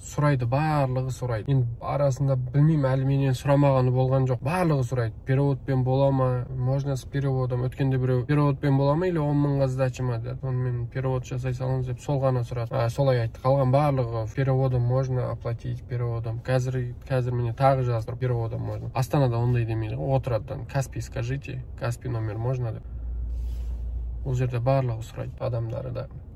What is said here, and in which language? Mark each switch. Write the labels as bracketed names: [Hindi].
[Kazakh] Сұрайды, барлығы сұрайды. Мен арасында білмеймін, әлі менен сұрамағаны болған жоқ. Барлығы сұрайды. Переводпен бола ма? [Russian] Можно с переводом? [Kazakh] Өткенде біреу переводпен бола ма или 10 мыңға сдача ма деді. Оны мен перевод жасай салам деп сол ғана сұрады. Солай айтты. Қалған барлығы [Russian] переводом можно оплатить, переводом. [Kazakh] Қазір мені тағы жаздыр, [Russian] переводом можно. [Kazakh] Астанада ондай демейді. Отырадан Каспи [Russian] скажите, Каспи номер можно [Kazakh] деп. Ол жерде барлығы сұрайды адамдары да.